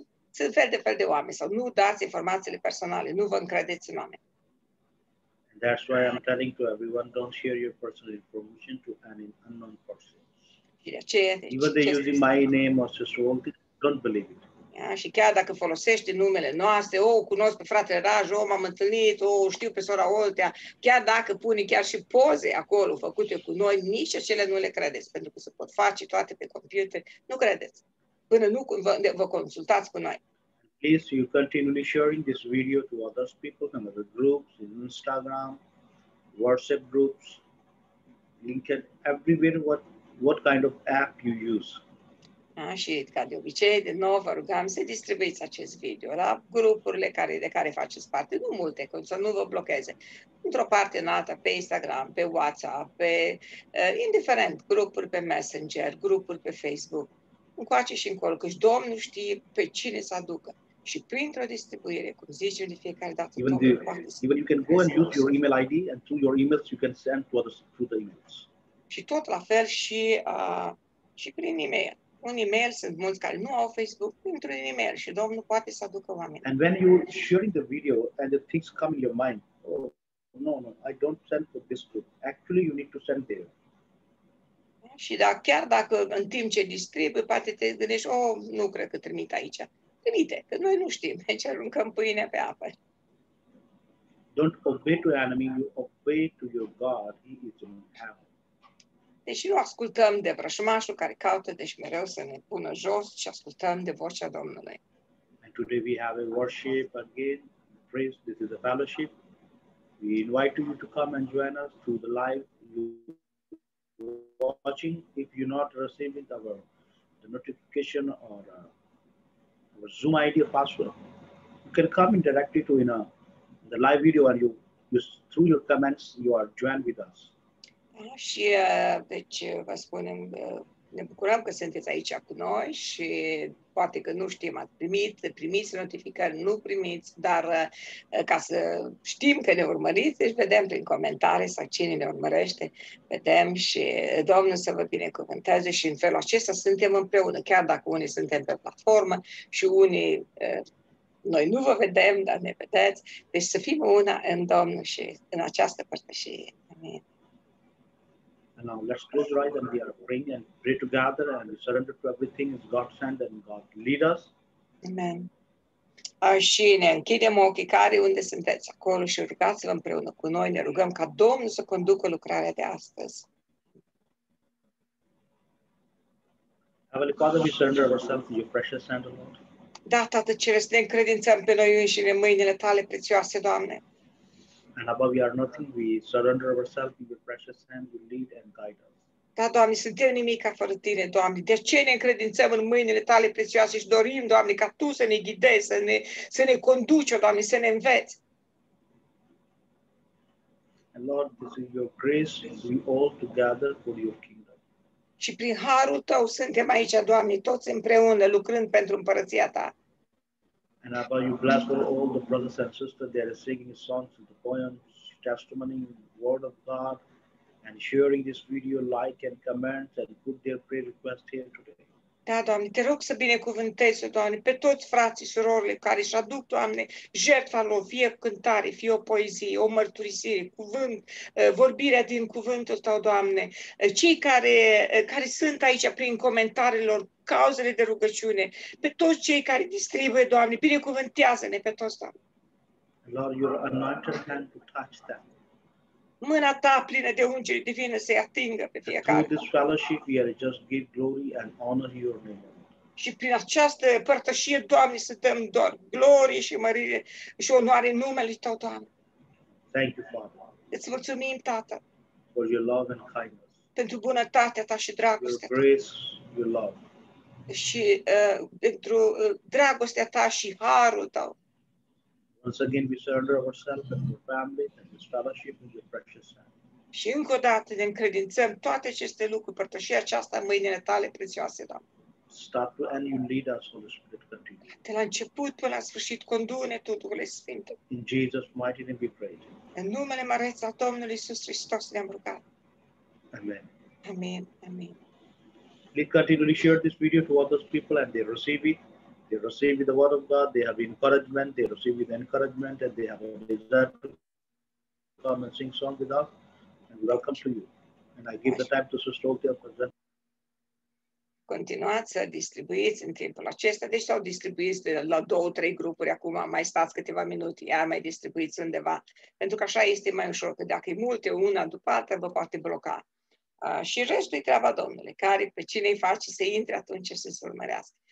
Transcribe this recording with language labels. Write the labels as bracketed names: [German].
[Romanian] Sunt fel de fel de oameni, sau nu dați informațiile personale, nu vă încredeți în oameni. [English] That's why I'm telling to everyone, don't share your personal information to any unknown person. Even they using my name or Sister Olthe, don't believe it. [Romanian] Și chiar dacă folosești numele noastre, cunosc pe fratele Raj, m-am întâlnit, știu pe sora Olthe, chiar dacă pune chiar și poze acolo făcute cu noi, nici acele nu le credeți, pentru că se pot face toate pe computer, nu credeți. Până nu vă consultați cu noi. [English] please you continually sharing this video to other people and other groups in Instagram, WhatsApp groups, LinkedIn, everywhere what kind of app you use. [Romanian] Și ca de obicei, de nou vă rugăm să distribuiți acest video la grupurile care, de care faceți parte, nu multe, să nu vă blocheze. Într-o parte în alta, pe Instagram, pe WhatsApp, pe indiferent, grupuri pe Messenger, grupuri pe Facebook, încoace și încolo, căci Domnul știe pe cine să aducă. Și printr-o distribuire, cum zicem de fiecare dată, [English] even [Romanian] Domnul poate [English] even you can go and use your email ID and through your emails you can send to others through the emails. [Romanian] Și tot la fel și, și prin e-mail. Un email, sunt mulți care nu au Facebook, intră un email și Domnul poate să aducă oameni. [English] And when you're sharing the video and the things come in your mind, oh, no, no, I don't send for this group. Actually, you need to send there. [Romanian] Și dacă, chiar dacă în timp ce distribui, poate te gândești, oh, nu cred că trimit aici. Trimite, că noi nu știm, deci aruncăm pâinea pe apă. [English] Don't obey to your enemy, you obey to your God, he is in heaven. [Romanian] Deci nu ascultăm de vrășmașul care caută, deci mereu să ne pună jos și ascultăm de vocea Domnului. [English] And today we have a worship again, praise, this is a fellowship. We invite you to come and join us through the live watching. If you're not receiving our the notification or our Zoom ID or password, you can come in directly to the live video and you through your comments, you are joined with us. [Romanian] Și deci vă spunem, ne bucurăm că sunteți aici cu noi și poate că nu știm, ați primit, primiți notificări, nu primiți, dar ca să știm că ne urmăriți, deci vedem prin comentarii sau cine ne urmărește, vedem și Domnul să vă binecuvânteze și în felul acesta suntem împreună, chiar dacă unii suntem pe platformă și unii, noi nu vă vedem, dar ne vedeți, deci să fim una în Domnul și în această parte și amin. [English] And now let's close our eyes and we are praying and pray together and we surrender to everything as God sent and God lead us. Amen. [Romanian] Și ne închidem ochii care unde sunteți acolo și rugați-vă împreună cu noi. Ne rugăm ca Domnul să conducă lucrarea de astăzi. [English] Heavenly Father, we surrender ourselves to your precious hand, O Lord. [Romanian] Da, Tată Ceresc, ne încredințăm pe noi înșine mâinile Tale prețioase, Doamne. [English] And above we are nothing, we surrender ourselves in your precious hand, you lead and guide us. [Romanian] Da, Doamne, suntem nimica fără Tine, Doamne. De ce ne încredințăm în mâinile Tale prețioase și dorim, Doamne, ca Tu să ne ghidezi, să ne conduci, Doamne, să ne înveți. [English] And Lord, this is your grace, we all together for your kingdom. [Romanian] Și prin harul Tău suntem aici, Doamne, toți împreună, lucrând pentru împărăția Ta. [English] And Abba, you bless all the brothers and sisters that are singing songs and the poems, testimony, word of God, and sharing this video, like and comment, and put their prayer request here today. [Romanian] Da, Doamne, te rog să binecuvântezi, Doamne, pe toți frații și surorile care își aduc, Doamne, jertfa lor, fie o cântare, fie o poezie, o mărturisire, cuvânt, vorbirea din cuvântul Tău, Doamne, cei care sunt aici prin comentariilor, cauzele de rugăciune, pe toți cei care distribuie, Doamne, binecuvântează-ne pe toți, Doamne. [English] Lord, your anointed hand to touch them. [Romanian] Mâna Ta plină de ungeri divină să-i atingă pe fiecare. [English] Through this fellowship, we are just give glory and honor your name. [Romanian] Și prin această părtășie, Doamne, să dăm doar glorie și mărire și onoare numele Tău, Doamne. [English] Thank you, Father. [Romanian] Îți mulțumim, Tată. [English] For your love and kindness. [Romanian] Pentru bunătatea Ta și dragostea Ta. [English] Your grace, your love. [Romanian] Și pentru dragostea Ta și harul Tău. [English] Once again, we surrender ourselves and our family and this fellowship in your precious hand. [Romanian] Și încă o dată ne încredințăm toate aceste lucruri, părtășia aceasta în mâinile Tale prețioase, Doamne. [English] Start to end, you lead us, Holy Spirit, continue. [Romanian] De la început până la sfârșit, condu-ne Tu, Duhule Sfânt. [English] In Jesus' mighty name we pray. [Romanian] În numele măreț al Domnului Iisus Hristos ne-am rugat. Amen. Amen. Amen. [English] Please continue to share this video to other people and they receive it. They receive the word of God, they have encouragement, they receive with encouragement, and they have a desire to come and sing song with us, and welcome to you. And I give the time to Sister Olga for that. [Romanian] Continuați să distribuiți în timpul acesta, deci s-au distribuit la două, trei grupuri acum, mai stați câteva minute, iar mai distribuiți undeva, pentru că așa este mai ușor, că dacă e multe, una după alta, vă poate bloca. Și restul e treaba Domnului, care pe cine îi face să intre atunci să se urmărească.